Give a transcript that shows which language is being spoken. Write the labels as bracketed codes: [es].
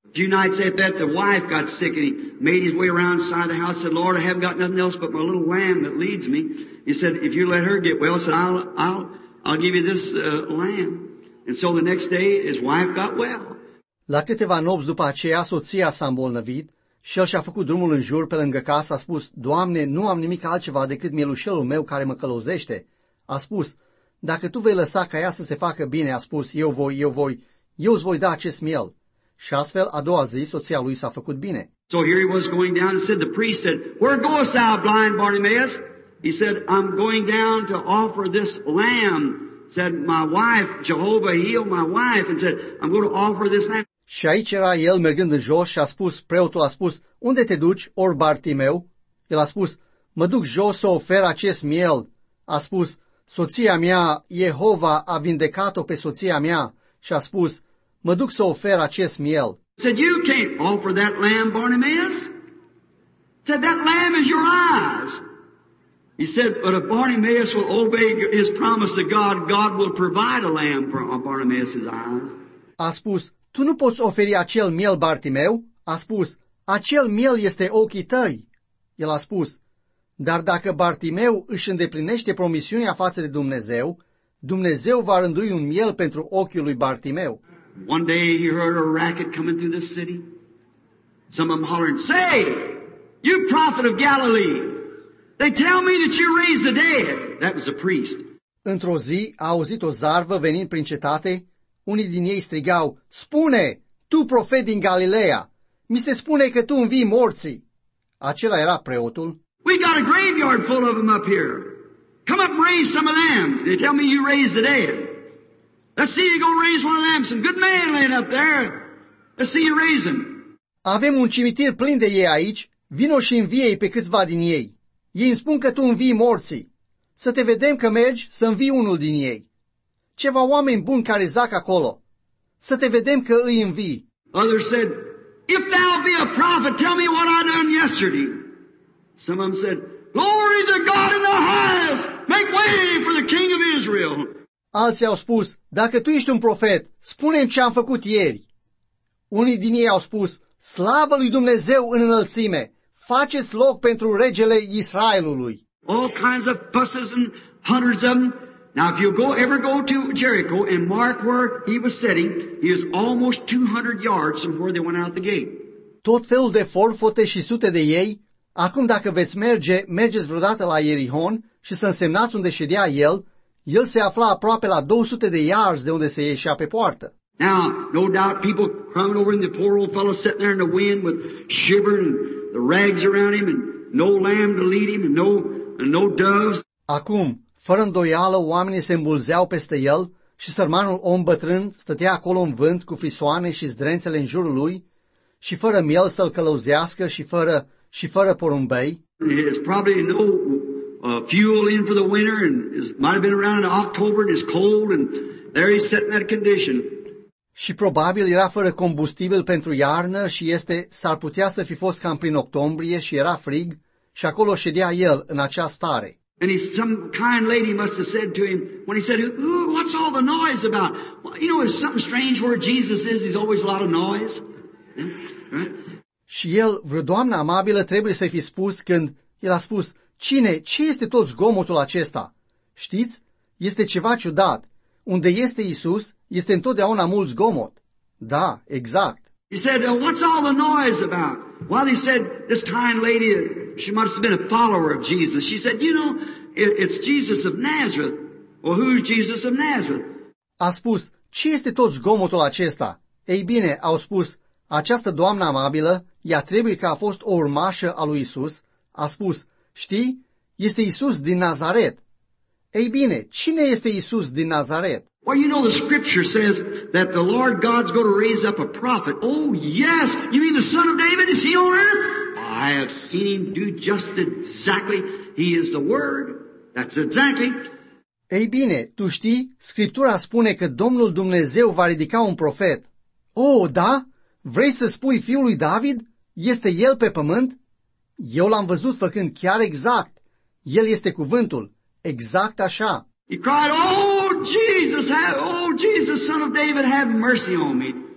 [en] Few nights after that, the wife got sick and he made his way around the side of the house and said, Lord, I haven't got nothing else but my little lamb that leads me. He said, if you let her get well, said, I'll give you this lamb. And so the next day, his wife got well. [ro] La câteva nopți după aceea, soția s-a îmbolnăvit și el și-a făcut drumul în jur pe lângă casă, a spus, Doamne, nu am nimic altceva decât mielușelul meu care mă călăuzește. A spus, dacă tu vei lăsa ca ea să se facă bine, a spus, eu îți voi da acest miel. Și astfel, a doua zi, soția lui s-a făcut bine. [en] So here he was going down and said, the priest said, where goest thou, blind Bartimaeus? He said, I'm going down to offer this lamb. Said, my wife, Jehovah, heal my wife, and said, I'm going to offer this lamb. [ro] Și aici era el mergând în jos și a spus, preotul a spus, unde te duci, orb Bartimeu? El a spus, mă duc jos să ofer acest miel. A spus, soția mea, Jehova, a vindecat-o pe soția mea. Și a spus, mă duc să ofer acest miel. [en] Said, you can't offer that lamb, Bartimaeus. Said, that lamb is your eyes. He said, but if Bartimaeus will obey his promise to God, God will provide a lamb for Bartimaeus' eyes. [ro] A spus, tu nu poți oferi acel miel, Bartimeu? A spus, acel miel este ochii tăi. El a spus, dar dacă Bartimeu își îndeplinește promisiunea față de Dumnezeu, Dumnezeu va rândui un miel pentru ochiul lui Bartimeu. [en] One day he heard a racket coming through the city. Some of them hollering, say, You prophet of Galilee, they tell me that you raise the dead. That was a priest. [ro] Într-o zi a auzit o zarvă venind prin cetate, unii din ei strigau, spune, tu profet din Galileea, mi se spune că tu învii morții. Acela era preotul. [en] We got a graveyard full of them up here. Come up and raise some of them. They tell me you raised the dead. Let's see you go raise one of them. Some good man laying up there. Let's see you raise him. [ro] Avem un cimitir plin de ei aici. Vino și învie-i pe câțiva din ei. Ei îmi spun că tu învii morții. Să te vedem că mergi să învii unul din ei. Ceva oameni buni care zac acolo. Să te vedem că îi învii. [en] Others said, if thou be a prophet, tell me what I done yesterday. Some of them said, glory to God in the highest, make way for the king of Israel. [ro] Alții au spus, dacă tu ești un profet, spune-mi ce am făcut ieri. Unii din ei au spus, slavă lui Dumnezeu în înălțime, faceți loc pentru regele Israelului. [en] All kinds of fusses and hundreds of them. Now if you go ever go to Jericho and mark where he was sitting, he is almost 200 yards from where they went out the gate. [ro] Tot felul de forfote și sute de ei. Acum dacă veți merge, mergeți vreodată la Ierihon și să însemnați unde ședea el, el se afla aproape la 200 de yards de unde se ieșea pe poartă. [en] Now, no doubt people crying over in the poor old fellow sitting there in the wind with shivering and the rags around him and no lamb to lead him and no doves. [ro] Acum, fără îndoială, oamenii se îmbulzeau peste el și sărmanul om bătrân stătea acolo în vânt cu frisoane și zdrențele în jurul lui și fără miel să-l călăuzească și fără porumbei. [en] It's probably no fuel in for the winter and it might have been around in October and it's cold and there he's sitting in that condition. [ro] Și probabil era fără combustibil pentru iarnă și s-ar putea să fi fost cam prin octombrie și era frig și acolo ședea el în acea stare. [en] And some kind lady must have said to him when he said, what's all the noise about? Well, you know, it's something strange where Jesus is, there's always a lot of noise. [ro] Și el, vreo doamnă amabilă, trebuie să-i fi spus când el a spus, ce este tot zgomotul acesta? Știți, este ceva ciudat. Unde este Iisus, este întotdeauna mult zgomot. Da, exact. [en] He said, what's all the noise about? Well, he said, this kind lady, she must have been a follower of Jesus. She said, you know, it's Jesus of Nazareth. Well, who's Jesus of Nazareth? [ro] A spus, ce este tot zgomotul acesta? Ei bine, au spus, această doamnă amabilă, ea trebuie că a fost o urmașă a lui Iisus, a spus, știi, este Iisus din Nazaret. Ei bine, cine este Iisus din Nazaret? [en] Well, you know the scripture says that the Lord God's going to raise up a prophet. Oh, yes, you mean the son of David? Is he on earth? I have seen him do just exactly. He is the word. That's exactly. [ro] Ei bine, tu știi, scriptura spune că Domnul Dumnezeu va ridica un profet. Oh, da? Vrei să spui fiul lui David? Este el pe pământ? Eu l-am văzut făcând chiar exact. El este cuvântul. Exact așa. [en] He cried, oh, Jesus, son of David, have mercy on me.